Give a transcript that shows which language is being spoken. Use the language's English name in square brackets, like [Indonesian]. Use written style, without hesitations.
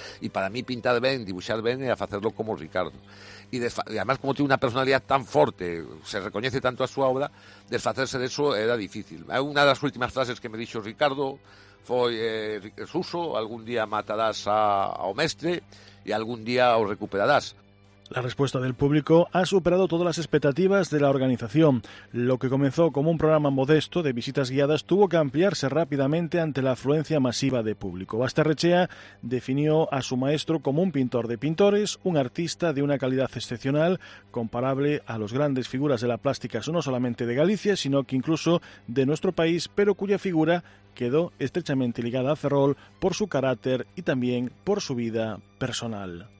[Galician] E para mí pintar ben, dibuixar ben, era facerlo como Ricardo. E además como tiña unha personalidade tan forte, se recoñece tanto a súa obra, desfacerse de eso era difícil. Unha das últimas frases que me dixo Ricardo foi Suso, algún día matarás ao mestre e algún día o recuperarás. [Spanish] La respuesta del público ha superado todas las expectativas de la organización. Lo que comenzó como un programa modesto de visitas guiadas tuvo que ampliarse rápidamente ante la afluencia masiva de público. Basterrechea definió a su maestro como un pintor de pintores, un artista de una calidad excepcional, comparable a los grandes figuras de la plástica, no solamente de Galicia, sino que incluso de nuestro país, pero cuya figura quedó estrechamente ligada a Ferrol por su carácter y también por su vida personal.